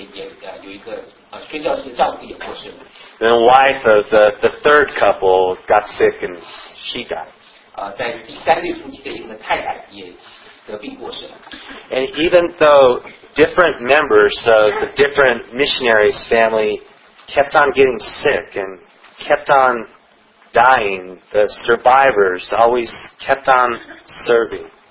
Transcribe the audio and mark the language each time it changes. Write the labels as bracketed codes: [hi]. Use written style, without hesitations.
[zh] 在几个礼拜以后，有一个丈夫也有一个宣教士的丈夫也过世了。 [en] Then the wife of the third couple got sick and she died. [zh] 在第三对夫妻的一个太太也得病过世了。 [en] And even though different members of the different missionaries' family kept on getting sick and kept on dying, the survivors always kept on serving.